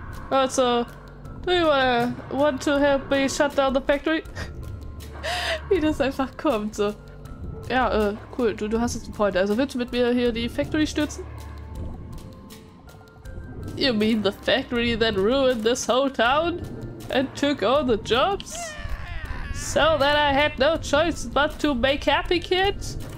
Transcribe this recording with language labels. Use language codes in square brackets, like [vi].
[en] Also, do you want to help me shut down the factory? [de] Wie das einfach kommt, so. Ja, cool. Du hast jetzt einen Freund. Also willst du mit mir hier die Factory stürzen? [en] You mean the factory that ruined this whole town? And took all the jobs? So that I had no choice but to make happy kids?